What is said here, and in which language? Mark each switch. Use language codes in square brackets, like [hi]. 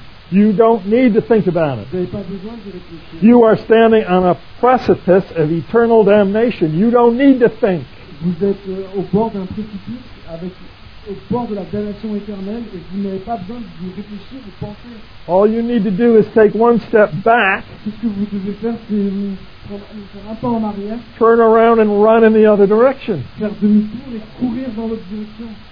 [en] You don't need to think about it. You are standing on a precipice of eternal damnation. You don't need to think. [fr] Vous êtes au bord d'un précipice avec au bord de la damnation éternelle et vous n'avez pas besoin de réfléchir, de penser. [en] All you need to do is take one step back. [fr] Tout ce que vous devez faire, c'est faire un pas en arrière. [en] Turn around and run in the other direction. [fr] Faire demi-tour et courir dans l'autre direction.